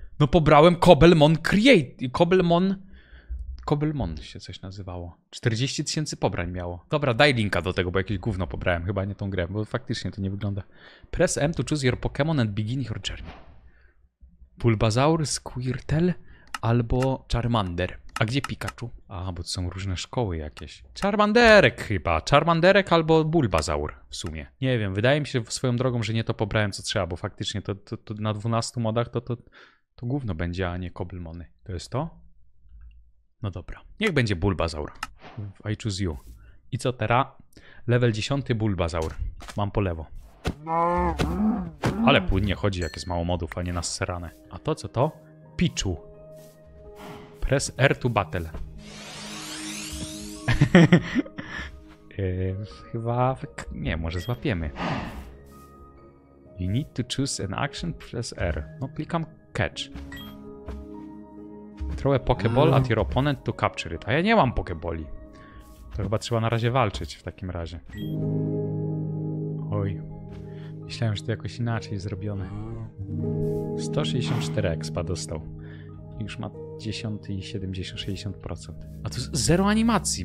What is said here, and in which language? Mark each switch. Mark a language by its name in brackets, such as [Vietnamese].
[Polish] No pobrałem Cobblemon Create. Cobblemon się coś nazywało. 40 tysięcy pobrań miało. Dobra, daj linka do tego, bo jakieś gówno pobrałem. Chyba nie tą grę, bo faktycznie to nie wygląda. [English] Press M to choose your Pokemon and begin your journey. [Polish] Bulbasaur, Squirtle albo Charmander. A gdzie Pikachu? A, bo to są różne szkoły jakieś. Charmanderek chyba. Charmanderek albo Bulbasaur w sumie. Nie wiem, wydaje mi się swoją drogą, że nie to pobrałem co trzeba, bo faktycznie to na 12 modach to gówno będzie, a nie Cobblemony. To jest to? No dobra. Niech będzie Bulbasaur. [English] I choose you. [Polish] I co teraz? [English] Level 10 Bulbasaur. [Polish] Mam po lewo. Ale płynnie chodzi, jak jest mało modów, a nie nasserane. A to co to? Pichu. [English] Press R to battle. [Polish] chyba... Nie, może złapiemy. [English] You need to choose an action, press R. [Polish] No, klikam catch. [English] Throw a pokeball at your opponent to capture it. [Polish] A ja nie mam pokeboli. To chyba trzeba na razie walczyć w takim razie. Oj. Myślałem, że to jakoś inaczej zrobione. 164 expa dostał. Już ma 10 i 70, 60%. A tu zero animacji.